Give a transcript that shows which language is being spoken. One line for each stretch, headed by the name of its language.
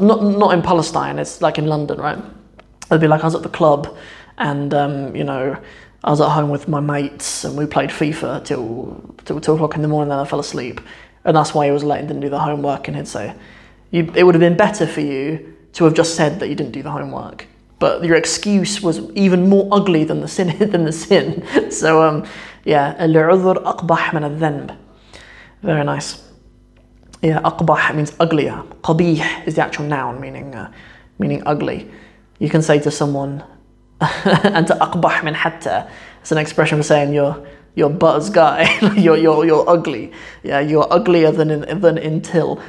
English: Not in Palestine, it's like in London, right? They'd be like, I was at the club and, I was at home with my mates and we played FIFA till 2 o'clock in the morning and then I fell asleep. And that's why he was late and didn't do the homework. And he'd say, it would have been better for you to have just said that you didn't do the homework. But your excuse was even more ugly than the sin.
Arabic: So, العذر أقبح من الذنب.
English: Very nice. Yeah, أقبح means uglier. قبيح is the actual noun meaning ugly. You can say to someone,
Arabic: أنت أقبح من حتى.
English: It's an expression for saying you're buzz guy. you're ugly. Yeah, you're uglier than until.